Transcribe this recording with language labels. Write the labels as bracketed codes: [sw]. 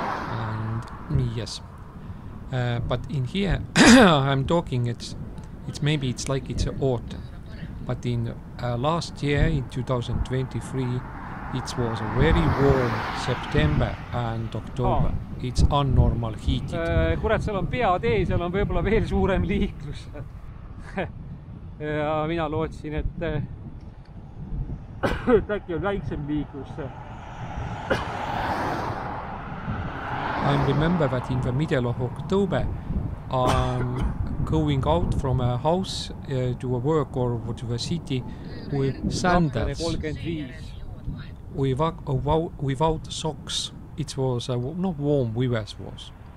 [en] And yes, but in here I'm talking it's maybe it's like it's autumn, but in last year in 2023 it was a very warm September and October. Oh. It's unnormal heat. [et] Kurat, seal on pea tee, seal on võibolla veel suurem liiklus. Ja mina lootsin, et äkki on väiksem liiklus. [en] I remember that in the middle of October I'm going out from a house to a work or to the city with sandals. 35. Without socks, it was not warm weather was.